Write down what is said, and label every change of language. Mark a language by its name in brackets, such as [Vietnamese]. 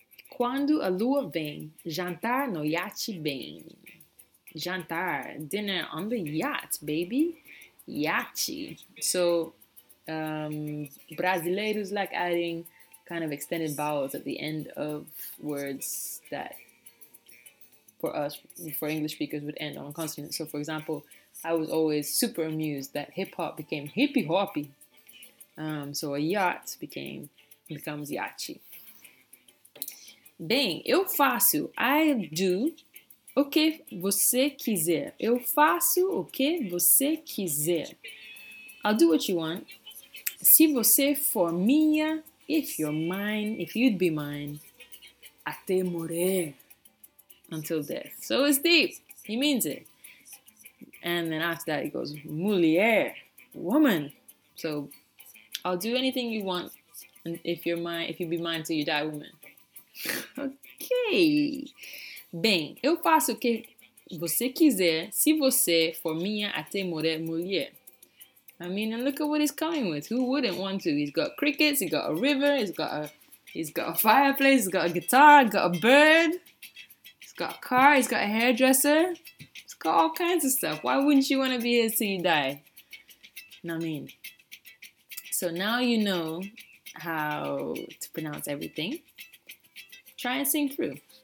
[Portuguese] Quando a lua vem, jantar no yacht bem. [English] Jantar, dinner on the yacht, baby. Yacht. So, brasileiros like adding kind of extended vowels at the end of words that for us, for English speakers, would end on consonants. So, for example, I was always super amused that hip-hop became hippie-hoppy. So, a yacht becomes yacht. Bem, eu faço, I do, o que você quiser. Eu faço o que você quiser. I'll do what you want. [Portuguese] Se você for minha, [English] if you're mine, if you'd be mine, [Portuguese] até morrer, [English] until death. So it's deep, he means it. And then after that he goes, mulher, woman. So I'll do anything you want, if you're mine, if you'd be mine till you die, woman. [Portuguese] Ok, bem, eu faço o que você quiser, se você for minha até morrer mulher. [English] I mean, and look at what he's coming with. Who wouldn't want to? He's got crickets, he's got a river, he's got a fireplace, he's got a guitar, he's got a bird, he's got a car, he's got a hairdresser, he's got all kinds of stuff. Why wouldn't you want to be here till you die? I mean, so now you know how to pronounce everything. Try and sing through.